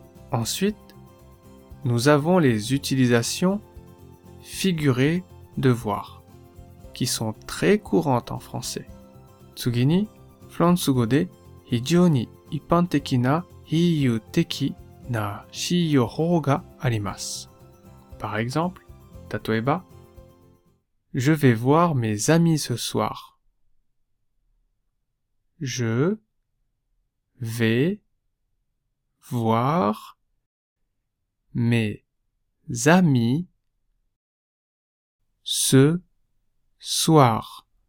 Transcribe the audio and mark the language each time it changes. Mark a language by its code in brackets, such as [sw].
[fr] Ensuite, nous avons les utilisations figurées de voir, qui sont très courantes en français. [ja] 次に、フランス語で非常に一般的な比喩的な使用法があります。 [fr] Par exemple, [ja] 例えば、 [fr] Je vais voir mes amis ce soir. Je vais voir mes amis ce soir.